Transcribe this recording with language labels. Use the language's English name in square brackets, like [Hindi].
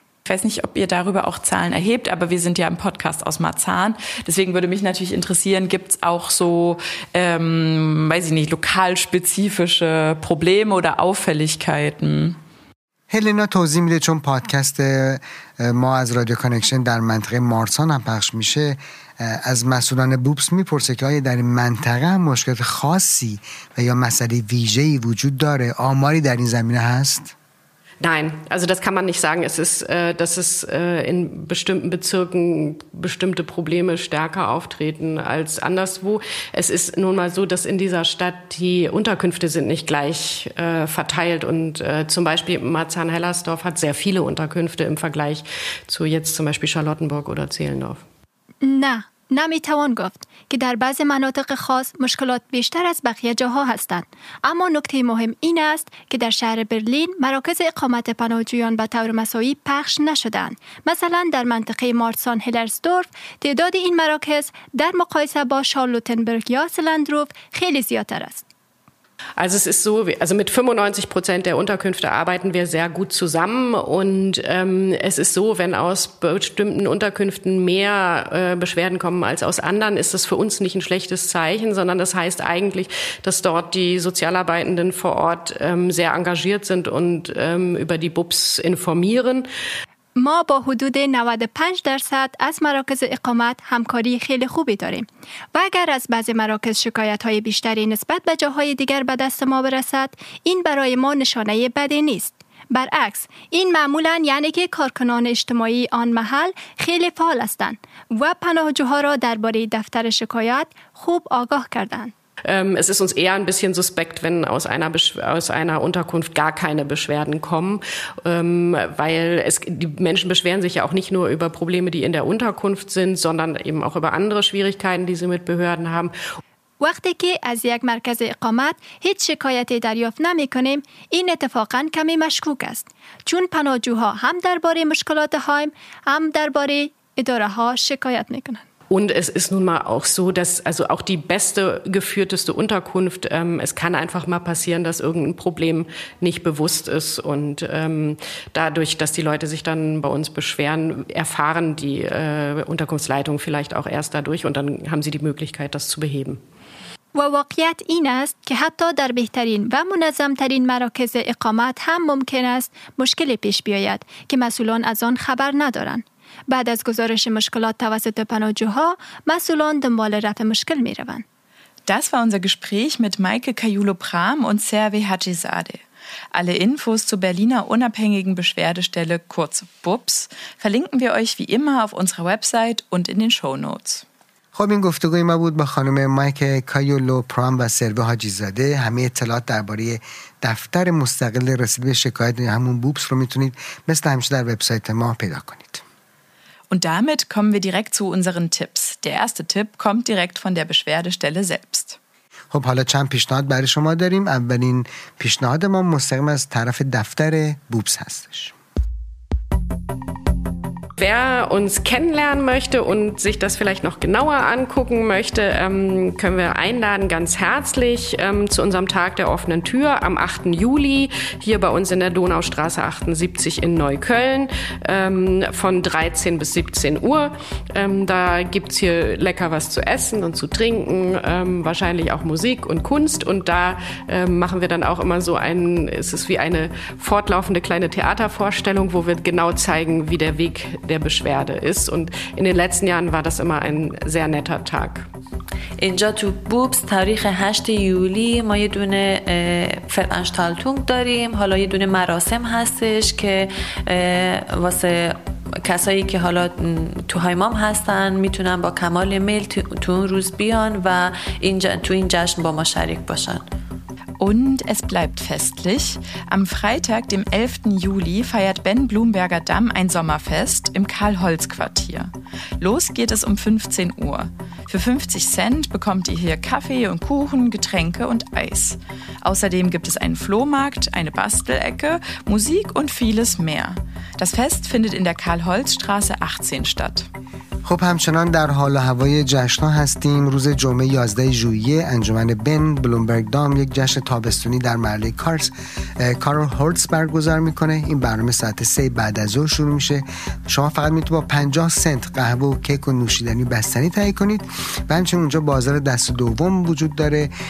[German] Ich weiß nicht, ob ihr darüber auch Zahlen erhebt, aber wir sind ja im Podcast aus Marzahn. Deswegen würde mich natürlich interessieren, gibt es auch so, weiß ich nicht, lokalspezifische Probleme oder Auffälligkeiten? [Persian] هلینا توضیح میده چون پادکست ما از رادیو کانکشن در منطقه مارسان هم پخش میشه از مسئولان بوبس میپرسه که آیا در این منطقه هم مشکل خاصی و یا مسئله ویژه‌ای وجود داره؟ آماری در این زمینه هست؟ [German] Nein, also das kann man nicht sagen. Es ist, dass es in bestimmten Bezirken bestimmte Probleme stärker auftreten als anderswo. Es ist nun mal so, dass in dieser Stadt die Unterkünfte sind nicht gleich verteilt. Und zum Beispiel Marzahn-Hellersdorf hat sehr viele Unterkünfte im Vergleich zu jetzt zum Beispiel Charlottenburg oder Zehlendorf. [Persian] Na, نمی توان گفت که در بعض مناطق خاص مشکلات بیشتر از بقیه جاها هستند. اما نکته مهم این است که در شهر برلین مراکز اقامت پناهجویان به طور مساوی پخش نشدند. مثلا در منطقه مارسان هلرزدورف تعداد این مراکز در مقایسه با شارلوتنبرگ یا سلندروف خیلی زیادتر است. [German] Also es ist so, also mit 95% der Unterkünfte arbeiten wir sehr gut zusammen und es ist so, wenn aus bestimmten Unterkünften mehr Beschwerden kommen als aus anderen, ist das für uns nicht ein schlechtes Zeichen, sondern das heißt eigentlich, dass dort die Sozialarbeitenden vor Ort sehr engagiert sind und über die BUPs informieren. [Persian] ما با حدود 95% از مراکز اقامت همکاری خیلی خوبی داریم و اگر از بعضی مراکز شکایت‌های بیشتری نسبت به جاهای دیگر به دست ما برسد این برای ما نشانه بدی نیست برعکس این معمولاً یعنی که کارکنان اجتماعی آن محل خیلی فعال هستند و پناهجوها را درباره دفتر شکایت خوب آگاه کردند [German] Es ist uns eher ein bisschen suspekt, wenn aus einer Unterkunft gar keine Beschwerden kommen, weil die Menschen beschweren sich ja auch nicht nur über Probleme, die in der Unterkunft sind, sondern eben auch über andere Schwierigkeiten, die sie mit Behörden haben. [Persian] وقتی که از یک مرکز اقامت هیچ شکایتی دریافت نمی کنیم، این اتفاقاً کمی مشکوک است. چون پناهجوها هم درباره مشکلات هایم، هم درباره اداره ها شکایت می کنند. [German] Und es ist nun mal auch so, dass also auch die beste, geführteste Unterkunft, es kann einfach mal passieren, dass irgendein Problem nicht bewusst ist. Und dadurch, dass die Leute sich dann bei uns beschweren, erfahren die Unterkunftsleitung vielleicht auch erst dadurch und dann haben sie die Möglichkeit, das zu beheben. [Persian] و واقعیت این است که حتی در بهترین و منظمترین مراکز اقامت هم ممکن است مشکل پیش بیاید که مسئولان از آن خبر ندارند. بعد از گزارش مشکلات توسط پناهجوها، مسئولان دنبال رفع مشکل می روند. [German] Das war unser Gespräch mit Maike Kajulo-Prahm und Serve Hajizade. Alle Infos zur Berliner unabhängigen Beschwerdestelle, kurz BUPS, verlinken wir euch wie immer auf unserer Website und in den Shownotes. [Persian] خب این گفتگوی ما بود با خانم مایک کایولو-پرام و سروه حاجی‌زاده همه اطلاعات درباره دفتر مستقل رسیدگی به شکایت همون بوبس رو میتونید مثل همیشه در وبسایت ما پیدا کنید. [German] Und damit kommen wir direkt zu unseren Tipps. Der erste Tipp kommt direkt von der Beschwerdestelle selbst. [Persian] خب حالا چند پیشنهاد برای شما داریم. اولین پیشنهاد ما مستقیم از طرف دفتر بوبس هستش. [German] Wer uns kennenlernen möchte und sich das vielleicht noch genauer angucken möchte, können wir einladen ganz herzlich zu unserem Tag der offenen Tür am 8. Juli hier bei uns in der Donaustraße 78 in Neukölln von 13 bis 17 Uhr. Da gibt es hier lecker was zu essen und zu trinken, wahrscheinlich auch Musik und Kunst. Und da machen wir dann auch immer so es ist wie eine fortlaufende kleine Theatervorstellung, wo wir genau zeigen, wie der Weg der Beschwerde ist. Und in den letzten Jahren war das immer ein sehr netter Tag. [Persian] اینجا تو بوبس تاریخ 8 یولی ما یه دونه فرانشتالتونگ داریم حالا یه دونه مراسم هستش که واسه کسایی که حالا تو هایمام هستن میتونن با کمال میل تو اون روز بیان و اینجا تو این جشن با ما شریک باشن. [German] Und es bleibt festlich. Am Freitag, dem 11. Juli, feiert Ben Blumberger Damm ein Sommerfest im Karl-Holz-Quartier. Los geht es um 15 Uhr. Für 50 Cent bekommt ihr hier Kaffee und Kuchen, Getränke und Eis. Außerdem gibt es einen Flohmarkt, eine Bastelecke, Musik und vieles mehr. Das Fest findet in der Karl-Holz-Straße 18 statt. [Persian] خب همچنان در حال و هوای جشن ها هستیم. روز جمعه 11 ژوئیه انجمن بن بلومبرگ دام یک جشن تابستونی در محله کارس کارل هورتس برگزار میکنه. این برنامه ساعت 3 بعد از ظهر شروع میشه. شما فقط میتونید با 50 سنت قهوه و کیک و نوشیدنی بستنی تهیه کنید و همچنین اونجا بازار دست دوم وجود داره.